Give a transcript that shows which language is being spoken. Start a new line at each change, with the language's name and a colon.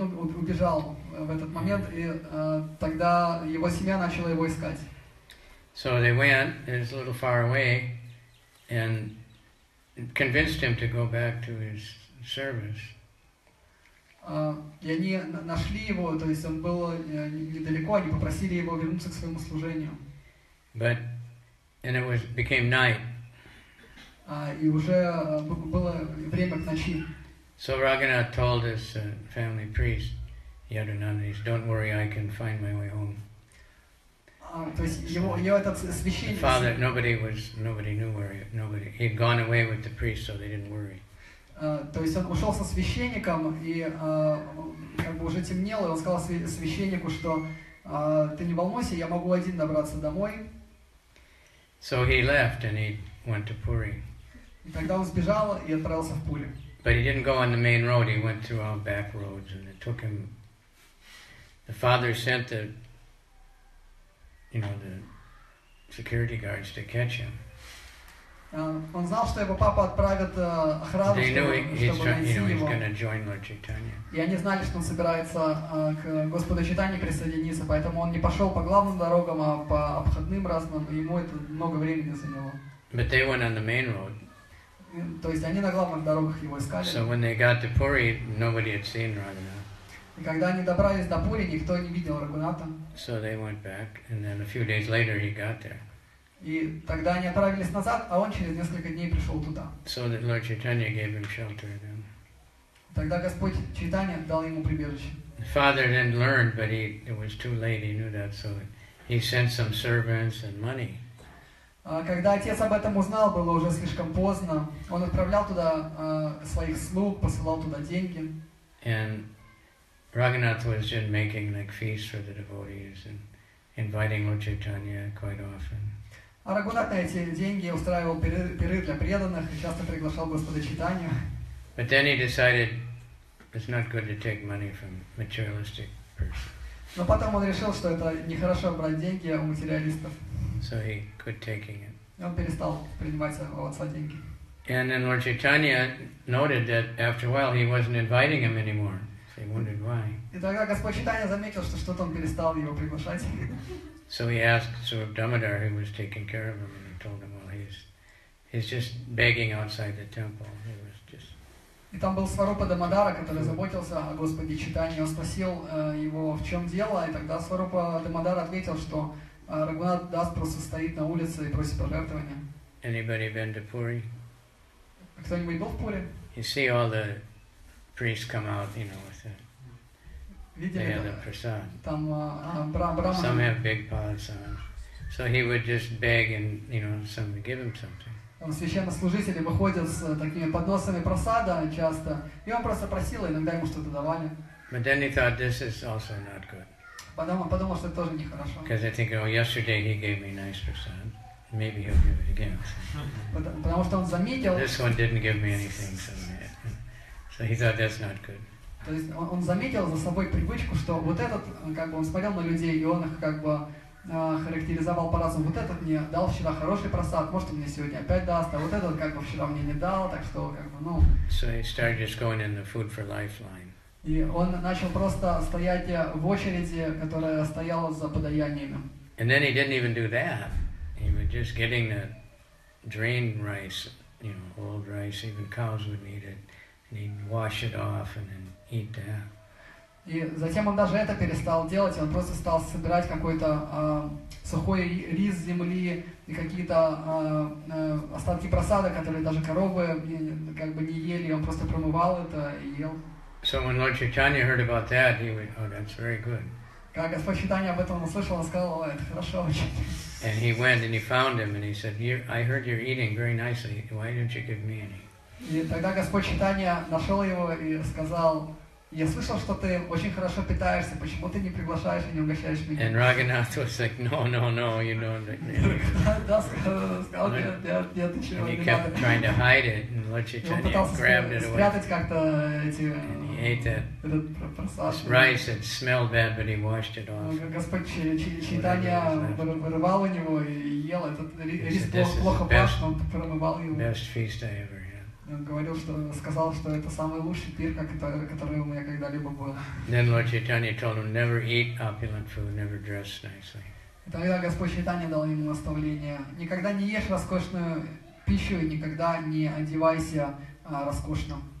Russian: И он убежал в этот момент, и тогда его семья начала его искать.
English: So they went, it was a little far away, and convinced him to go back to his service.
Russian: И они нашли его, то есть он был недалеко, они попросили его вернуться к своему служению.
English: But, and it was, became night.
Russian: И уже было время к ночи.
English: So Raghunath told his family priest, Yadunandis, don't worry, I can find my way home.
Russian: То есть его этот священник...
English: Father, nobody knew where he... Nobody. He had gone away with the priest, so they didn't worry.
Russian: То есть он ушел со священником, и как бы уже темнело, и он сказал священнику, что ты не волнуйся, я могу один добраться домой.
English: So he left, and he went to Puri.
Russian: И тогда он сбежал и отправился в Пури.
English: But he didn't go on the main road, he went through all back roads, and it took him... The father sent the, you know, the security guards to catch him.
Russian: Он знал, что его папа отправит охрану, чтобы найти его.
English: He's gonna join Lord Chaitanya.
Russian: И они знали, что он собирается к Господу Чайтанье присоединиться, поэтому он не пошел по главным дорогам, а по обходным разным, и ему это много времени заняло.
English: But they went on the main road.
Russian: То есть они на главных дорогах его искали.
English: So when they got to Puri, nobody had seen Raghunath.
Russian: И когда они добрались до Пури, никто не видел Рагуната.
English: So they went back, and then a few days later he got there.
Russian: И тогда они отправились назад, а он через несколько дней пришел туда.
English: So that Lord Chaitanya gave him shelter then.
Russian: Тогда Господь Чайтанья дал ему прибежище.
English: The father then learned, but it was too late, he knew that, so he sent some servants and money.
Russian: Когда отец об этом узнал, было уже слишком поздно. Он отправлял туда своих слуг, посылал туда деньги.
English: And Raghunath was then making like feasts for the devotees and inviting Lord Chaitanya quite often.
Russian: А Рагунат на эти деньги устраивал перерыв для преданных и часто приглашал Господа читанию.
English: But then he decided it's not good to take money from materialistic person.
Russian: Но потом он решил, что это нехорошо брать деньги у материалистов.
English: So he quit taking it.
Russian: И он перестал принимать у отца деньги.
English: And then Lord Chaitanya noted that after a while he wasn't inviting him anymore. So he wondered why.
Russian: И тогда Господь Читания заметил, что что-то он перестал его приглашать.
English: So he asked Surab Damodar, who was taking care of him, and he told him, well, he's just begging outside the temple. He was just...
Russian: И там был Сварупа Дамодара, который заботился о Господе Читании. Он спросил его, в чем дело, и тогда Сварупа Дамодар ответил, что Рагунат Дас просто стоит на улице и просит пожертвования.
English: Anybody been to Puri?
Russian: Кто-нибудь был в Пури?
English: You see all the priests come out, you know, with the... They had the prasad. Some have big pots on. So he would just beg and, you know, some would give him something.
Russian: Священнослужители выходят с такими подносами просада часто, и он просто просил, иногда ему что-то давали.
English: But then he thought, this is also not good.
Russian: Подумал, что это тоже нехорошо.
English: Because I think, oh, yesterday he gave me nice prasad. Maybe he'll give it again.
Russian: Потому что он заметил...
English: This one didn't give me anything, so he thought that's not good.
Russian: То есть он заметил за собой привычку, что вот этот, как бы он смотрел на людей, и он их как бы характеризовал по-разному. Вот этот мне дал вчера хороший просад, может он мне сегодня опять даст, а вот этот как бы вчера мне не дал, так что как бы, ну...
English: So he started just going in the food for life line.
Russian: И он начал просто стоять в очереди, которая стояла за подаяниями.
English: And then he didn't even do that. He was just getting the drained rice, you know, old rice, even cows would need it. He'd wash it off and then eat that.
Russian: И затем он даже это перестал делать, он просто стал собирать какой-то сухой рис с земли и какие-то остатки просада, которые даже коровы как бы не ели, он просто промывал это и ел.
English: So when Lord Chaitanya heard about that, he went, oh, that's very good.
Russian: Когда Господь Читания об этом услышал, он сказал, это хорошо очень.
English: And he went and he found him and he said, I heard you're eating very nicely, why don't you give me any?
Russian: И тогда Господь Читания нашел его и сказал, я слышал, что ты очень хорошо питаешься, почему ты не приглашаешь и не угощаешь меня?
English: And Raghunath was like, no, you know.
Russian: Да, сказал, нет, ничего, не надо.
English: And he kept trying to hide it, and Lord Chaitanya grabbed it away.
Russian: Он пытался спрятать как-то эти...
English: And he ate that rice, it smelled bad, but he washed it off.
Russian: Господь Читания вырывал у него и ел этот рис, плохо пах, он промывал его.
English: Best feast I ever.
Russian: Он говорил, что сказал, что это самый лучший пир, который у меня когда-либо был.
English: Then Lord Chaitanya told him, never eat opulent food, never dress nicely.
Russian: И тогда Господь Чайтанья дал ему наставление, никогда не ешь роскошную пищу и никогда не одевайся роскошно.